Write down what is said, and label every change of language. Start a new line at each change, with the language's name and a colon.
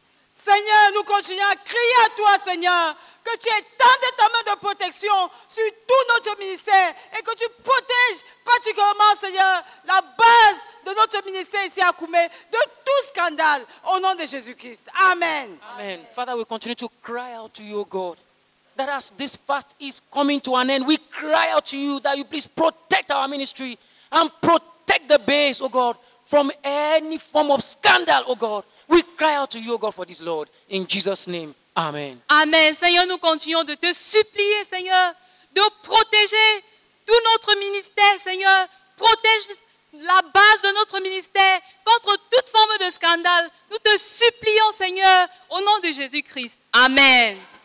French: Seigneur, nous continuons à crier à toi, Seigneur, que tu étendes ta main de protection sur tout notre ministère et que tu protèges particulièrement, Seigneur, la base de notre ministère ici à Koumé, de tout scandale, au nom de Jésus-Christ. Amen. Amen.
English: Father, we continue to cry out to you, God, that as this fast is coming to an end, we cry out to you that you please protect our ministry and protect the base, oh God, from any form of scandal, oh God. We cry out to you, oh God, for this, Lord, in Jesus' name. Amen. Amen.
French: Seigneur, nous continuons de te supplier, Seigneur, de protéger tout notre ministère, Seigneur. Protège la base de notre ministère contre toute forme de scandale. Nous te supplions, Seigneur, au nom de Jésus-Christ. Amen.